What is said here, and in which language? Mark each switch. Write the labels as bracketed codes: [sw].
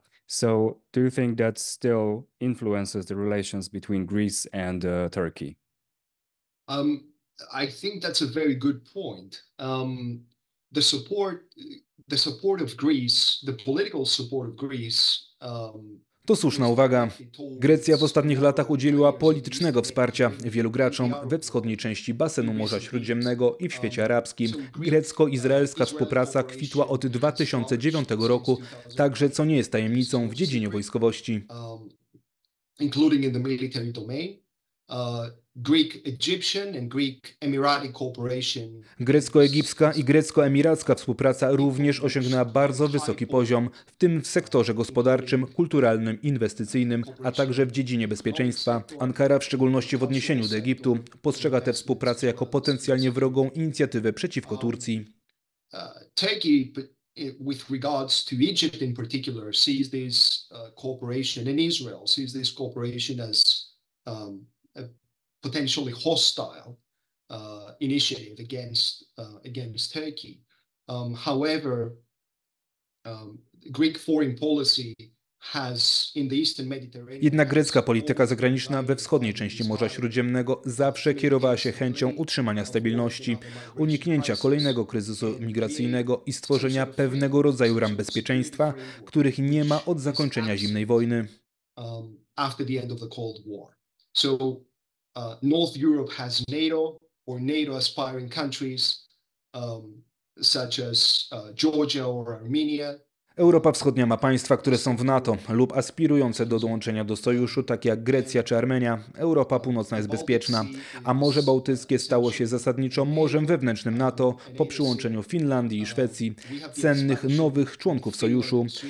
[en] So, do you think that still influences the relations between Greece and Turkey? I think that's a very good point. The support of Greece, the political support of Greece. [pl] To słuszna uwaga. Grecja w ostatnich latach udzieliła politycznego wsparcia wielu graczom we wschodniej części basenu Morza Śródziemnego i w świecie arabskim. Grecko-izraelska współpraca kwitła od 2009 roku, także co nie jest tajemnicą w dziedzinie wojskowości. [en] Including in the military domain. Greek-Egyptian and Greek-Emirati cooperation. [pl] Grecko-egipska i grecko-emiracka współpraca również osiągnęła bardzo wysoki poziom, w tym w sektorze gospodarczym, kulturalnym, inwestycyjnym, a także w dziedzinie bezpieczeństwa. Ankara, w szczególności w odniesieniu do Egiptu, postrzega tę współpracę jako potencjalnie wrogą inicjatywę przeciwko Turcji. [en] Turkey, with regards to Egypt in particular, sees this cooperation in Israel, sees this cooperation as potentially hostile initiative against Turkey. However, Greek foreign policy has in the Eastern Mediterranean. [pl] Jednak grecka polityka zagraniczna we wschodniej części Morza Śródziemnego zawsze kierowała się chęcią utrzymania stabilności, uniknięcia kolejnego kryzysu migracyjnego i stworzenia pewnego rodzaju ram bezpieczeństwa, których nie ma od zakończenia zimnej wojny. [en] After the end of the Cold War. So North Europe has NATO or NATO aspiring countries such as Georgia or Armenia. [pl] Europa Wschodnia ma państwa, które są w NATO lub aspirujące do dołączenia do sojuszu, takie jak Grecja czy Armenia. Europa Północna jest bezpieczna, a Morze Bałtyckie stało się zasadniczo morzem wewnętrznym NATO po przyłączeniu Finlandii i Szwecji, cennych nowych członków sojuszu.